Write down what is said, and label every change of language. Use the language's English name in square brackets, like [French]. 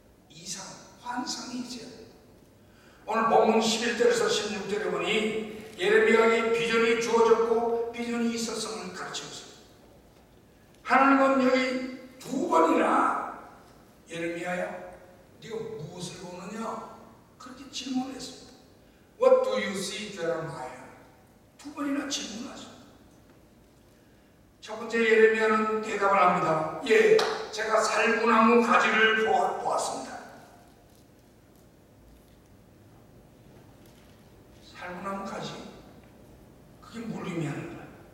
[Korean] 이상, 환상이 있어야 돼. 오늘 본문 11절에서 16절에 보니 예레미야에게 비전이 주어졌고 비전이 있었음을 가르쳤습니다. 하나님은 여기 두 번이나 예레미야야 네가 무엇을 보느냐 그렇게 질문을 했습니다. [English] What do you see, Jeremiah? [Korean] 두 번이나 질문하죠. 첫 번째 예레미야는 대답을 합니다. 예, 제가 살구나무 가지를 보았습니다. 살구나무 가지, 그게 뭘 의미하는 거야?